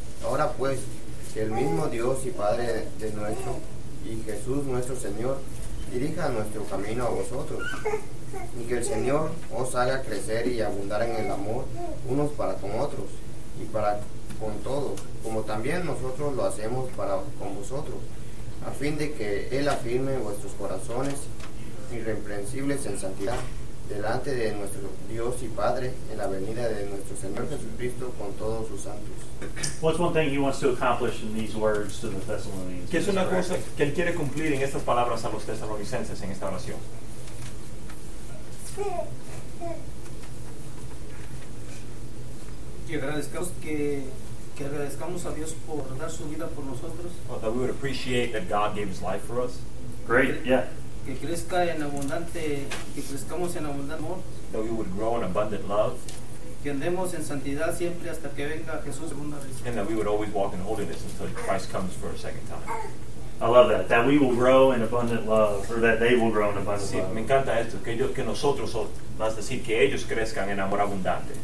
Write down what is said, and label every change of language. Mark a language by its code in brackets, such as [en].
[es] Ahora pues, que el mismo Dios y Padre de nuestro y Jesús nuestro Señor dirija nuestro camino a vosotros, y que el Señor os haga crecer y abundar en el amor unos para con otros y para con todos, como también nosotros lo hacemos para con vosotros, a fin de que Él afirme vuestros corazones irreprensibles en santidad delante de nuestro Dios y Padre en la venida de nuestro Señor Jesucristo con todos sus santos. [en] What's one thing he wants to accomplish in these words to the Thessalonians? [es] ¿Qué es una cosa que él quiere cumplir en estas palabras a los tesalonicenses en esta oración? Que agradezcamos a Dios por dar su vida por nosotros. [en] Oh, that we would appreciate that God gave his life for us. Great, yeah. [es] Que crezca en abundante, que crezcamos en abundante amor. [en] That we would grow in abundant love. [es] Que andemos en santidad siempre hasta que venga Jesús segunda vez. [en] And that we would always walk in holiness until Christ comes for a second time. I love that. That we will grow in abundant love, or that they will grow in abundant [es] sí, [en] love. [es] Me encanta esto, que nosotros, más decir, que ellos crezcan en amor abundante.